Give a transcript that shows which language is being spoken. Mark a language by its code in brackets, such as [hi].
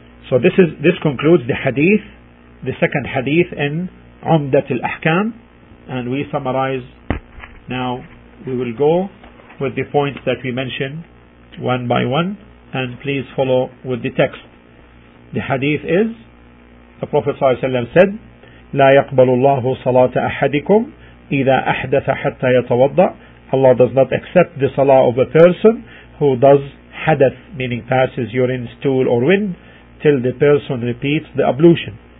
[en] So this concludes the hadith, the second hadith in Umdat al-Ahkam, and we summarize. Now we will go with the points that we mentioned one by one, and please follow with the text. The hadith is, the Prophet ﷺ said, [ar] لا يقبل الله صلاة أحدكم إذا أحدث حتى يتوضأ. [en] Allah does not accept the salah of a person who does hadath, meaning passes urine, stool, or wind, till the person repeats the ablution.